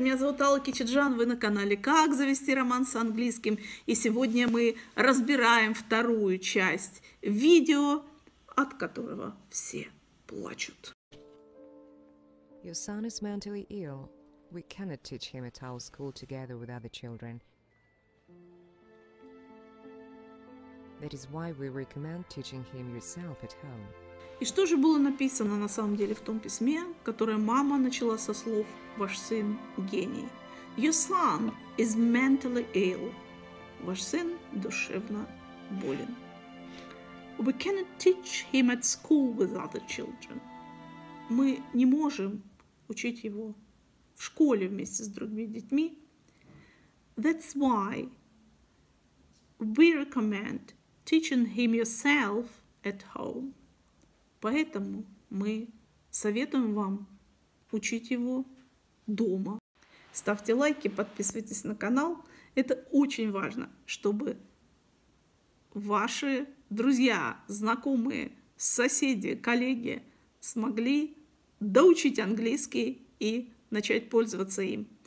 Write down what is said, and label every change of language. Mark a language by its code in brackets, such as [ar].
[ru] Меня зовут Алла Кичиджан. Вы на канале «Как завести роман с английским». И сегодня мы разбираем вторую часть видео, от которого все плачут. [en] Your son is mentally ill. We cannot teach him at our school together with other children. That is why we recommend teaching him yourself at home. [ru] И что же было написано на самом деле в том письме, которое мама начала со слов «Ваш сын гений». [en] Your son is mentally ill. [ru] Ваш сын душевно болен. [en] We cannot teach him at school with other children. [ru] Мы не можем учить его в школе вместе с другими детьми. [en] That's why we recommend teaching him yourself at home. [ru] Поэтому мы советуем вам учить его дома. Ставьте лайки, подписывайтесь на канал. Это очень важно, чтобы ваши друзья, знакомые, соседи, коллеги смогли доучить английский и начать пользоваться им.